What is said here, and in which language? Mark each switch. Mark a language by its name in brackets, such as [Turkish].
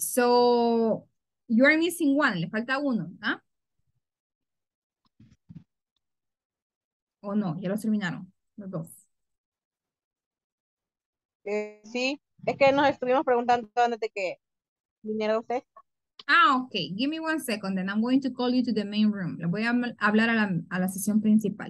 [English] So you are missing one. [Spanish] Le falta uno, ¿no? Oh, no. Ya los terminaron. Los dos. Sí, es que nos estuvimos preguntando dónde te que viniera usted. Ah, ok. [English] Give me one second and I'm going to call you to the main room. [Spanish] Le voy a hablar a la sesión principal.